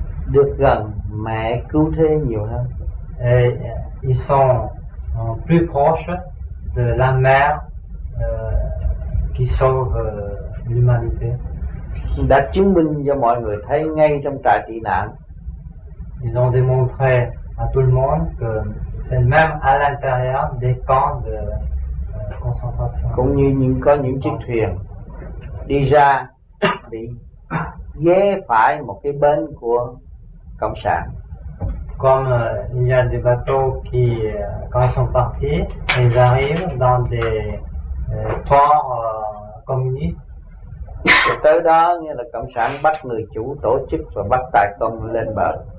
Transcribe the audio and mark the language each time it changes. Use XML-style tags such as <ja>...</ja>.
<vi>Được gần mẹ cứu thế nhiều hơn.</vi> <fr>Et ils sont plus proches de la mère qui sauve l'humanité.</fr> <vi>Đã chứng minh cho mọi người thấy ngay trong trại tị nạn.</vi> <fr>Ils ont démontré à tout le monde que c'est même à l'intérieur des camps de concentration.</fr> <vi>Cũng như những có những chiếc thuyền đi ra bị ghé phải một cái bến của cộng sản.</vi> <fr>Comme il y a des bateaux qui quand sont partis, ils arrivent dans des port communiste.</fr> <vi>Rồi tới đó nghĩa là cộng sản bắt người chủ tổ chức và bắt tài công lên bờ.</vi>